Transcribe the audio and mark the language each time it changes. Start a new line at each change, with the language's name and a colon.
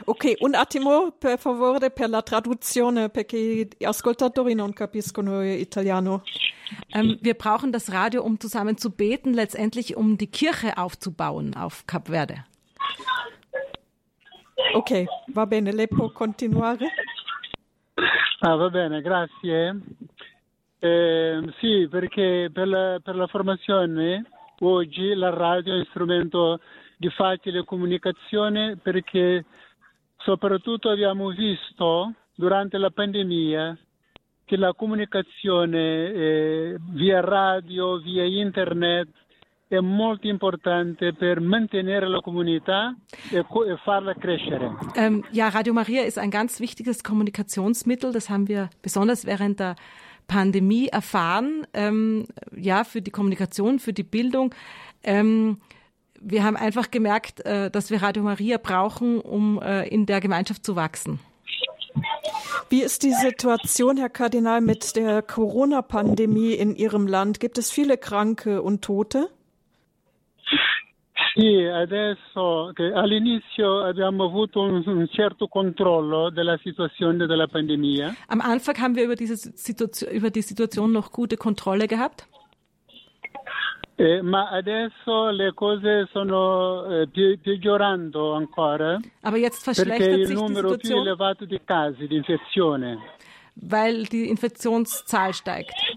Italian: Ok, un attimo, per favore, per la traduzione, perché gli ascoltatori non capiscono l'italiano.
German: Wir brauchen das Radio, um zusammen zu beten, letztendlich um die Kirche aufzubauen auf Cap Verde.
Italian: Ok, va bene, lei può continuare. Ah, va bene, grazie. Sì, perché per la formazione oggi la radio è un strumento di facile comunicazione perché soprattutto abbiamo visto durante la pandemia che la comunicazione via radio, via internet è molto importante per mantenere la comunità e farla crescere.
German: Ja, Radio Maria ist ein ganz wichtiges Kommunikationsmittel, das haben wir besonders während der Pandemie erfahren, für die Kommunikation, für die Bildung. Wir haben einfach gemerkt, dass wir Radio Maria brauchen, um in der Gemeinschaft zu wachsen. Wie ist die Situation, Herr Kardinal, mit der Corona-Pandemie in Ihrem Land? Gibt es viele Kranke und Tote?
Italian: Sì, adesso all'inizio abbiamo avuto un certo controllo della situazione della pandemia.
German: Am Anfang haben wir über die Situation noch gute Kontrolle gehabt.
Italian: Ma adesso le cose sono peggiorando ancora.
German: Aber jetzt verschlechtert sich die Situation.
Italian: Perché il numero più elevato di casi di infezione.
German: Weil die Infektionszahl steigt.